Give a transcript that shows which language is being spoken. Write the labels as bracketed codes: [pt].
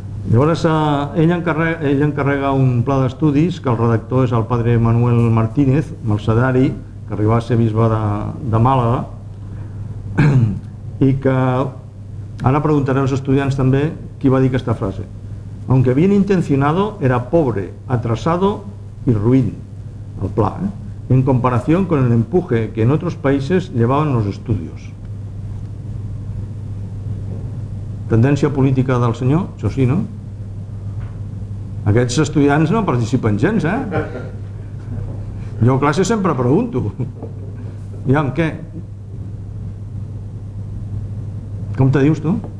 [ca] Llavors, ell encarrega un pla d'estudis, que el redactor és el padre Manuel Martínez, mercedari, que arribà a ser bisbe de Màlaga, i que ara preguntaré als estudiants també qui va dir aquesta frase. [es] Aunque bien intencionado, era pobre, atrasado y ruin, [ca] el pla, [es] en comparación con el empuje que en otros países llevaban los estudios. [ca] Tendència política del senyor, això sí, no? Aquests estudiants no participen gens, eh? Jo a classe sempre pregunto. I amb què? Com te dius tu?